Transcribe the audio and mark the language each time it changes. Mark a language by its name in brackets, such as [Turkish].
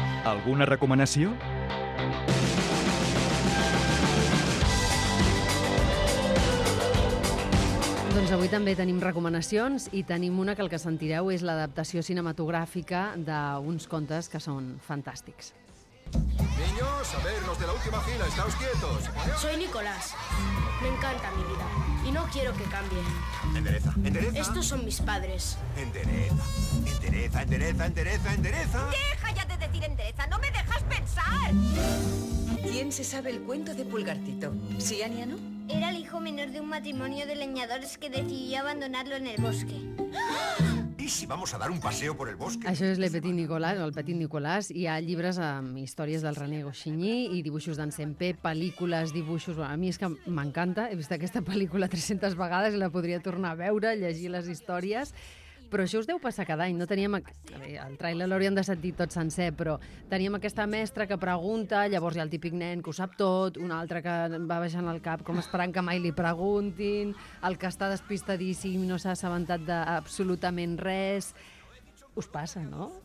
[Catalan] Alguna recomanació? Doncs avui també tenim recomanacions i tenim una que el que sentireu és l'adaptació cinematogràfica d'uns contes que són fantàstics. [Spanish] Niños, a ver, los de la última fila, estáos quietos. Soy Nicolás. Me encanta mi vida y no quiero que cambie. Endereza, endereza. Estos son mis padres. Endereza, endereza, endereza, endereza, endereza. Deja ya de decir endereza, no me dejas pensar. ¿Quién se sabe el cuento de Pulgartito? ¿Sí, Ania, no? Era el hijo menor de un matrimonio de leñadores que decidió abandonarlo en el bosque. ¿Y si vamos a dar un paseo por el bosque? [Catalan] Això és Le Petit Nicolas, o El Petit Nicolas. Hi ha llibres amb històries del René Goscinny i dibuixos d'en Sempé, pel·lícules, dibuixos... Bueno, a mi és que m'encanta. He vist aquesta pel·lícula 300 vegades i la podria tornar a veure, llegir les històries. Però això us deu passar cada any. No teníem... El trailer l'hauríem de sentir tot sencer, però teníem aquesta mestra que pregunta, llavors hi ha el típic nen que ho sap tot, un altre que va baixant el cap com esperant que mai li preguntin, el que està despistadíssim, no s'ha assabentat d'absolutament res. Us passa, no?